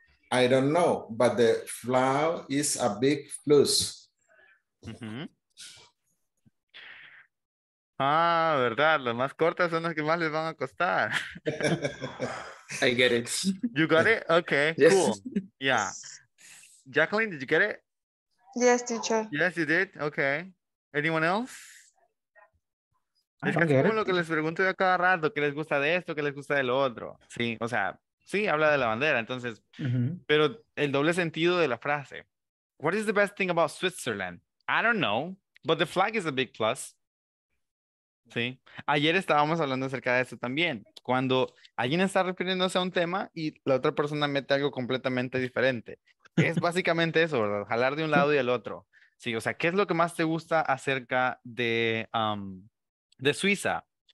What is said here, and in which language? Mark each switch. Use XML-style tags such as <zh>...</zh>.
<en>I don't know, but the flow is a big plus.</en> <es>Ah, verdad. Las más cortas son las que más les van a costar.</es> <en>I get it. You got it? Okay, yes. Cool. Yeah. Jacqueline, did you get it? Yes, teacher. Yes, you did? Okay. Anyone else?</en> <es>Es como lo que les pregunto yo a cada rato, qué les gusta de esto, qué les gusta del otro. Sí, o sea, sí, habla de la bandera, entonces, pero el doble sentido de la frase.</es> <en>What is the best thing about Switzerland? I don't know, but the flag is a big plus.</en> <es>Sí, ayer estábamos hablando acerca de eso también. Cuando alguien está refiriéndose a un tema y la otra persona mete algo completamente diferente. Es básicamente eso, ¿verdad? Jalar de un lado y del otro. Sí, o sea, ¿qué es lo que más te gusta acerca de Suiza?</es>